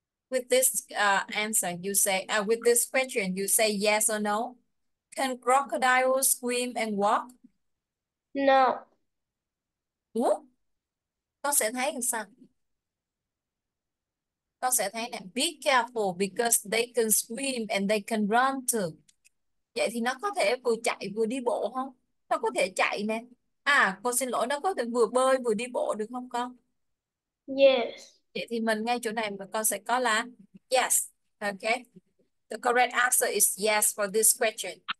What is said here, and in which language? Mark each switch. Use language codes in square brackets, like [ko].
[en] With this answer, you say, with this question, you say yes or no? Can crocodiles swim and walk? No. [vi] Ủa? Con sẽ thấy làm sao? Con sẽ thấy nè, [en] be careful because they can swim and they can run too. [vi] Vậy thì nó có thể vừa chạy vừa đi bộ không? Nó có thể chạy nè. À, con xin lỗi, nó có thể vừa bơi vừa đi bộ được không con? [en] Yes. [vi] Vậy thì mình ngay chỗ này mà con sẽ có là yes. [en] Okay. The correct answer is yes for this question.